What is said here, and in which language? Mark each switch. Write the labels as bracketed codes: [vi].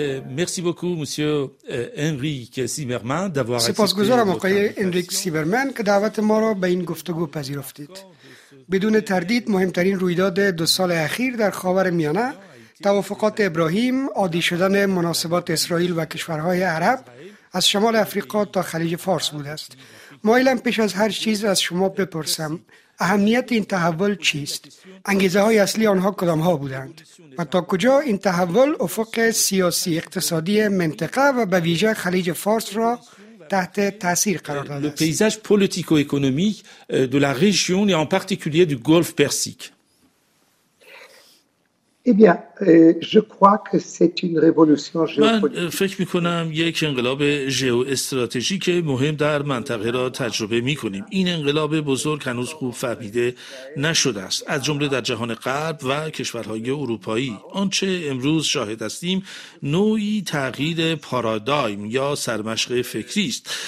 [fr] Merci beaucoup, monsieur Henrique Zimmermann, d'avoir accepté votre invitation. [fa] سپاسگزارم آقای هنریک سیبرمن که دعوت ما را به این گفتگو پذیرفتید. بدون تردید مهمترین رویداد دو سال اخیر در خاورمیانه توافقات ابراهیم، عادی شدن مناسبات اسرائیل و کشورهای عرب از شمال افریقا تا خلیج فارس بوده است. مایلم پیش از هر چیز از شما بپرسم اهمیت این تحول چیست؟ انگیزه های اصلی آنها کدام ها بودند؟ و تا کجا این تحول افق سیاسی اقتصادی منطقه و به ویژه خلیج فارس را تحت تاثیر قرار داده است؟ [fr] پیزاج پولیتیکو اکونومیک دو لا ریژیون و ان پارتیکولیه دو گولف پرسیک. Eh bien, je crois que c'est une révolution géopolitique. [fa] من فکر میکنم یک انقلاب ژئواستراتژیک مهم در منطقه را تجربه میکنیم. این انقلاب بزرگ هنوز خوب فهمیده نشده است. از جمله در جهان غرب و کشورهای اروپایی. آنچه امروز شاهد هستیم نوعی تغییر پارادایم یا سرمشق فکری است.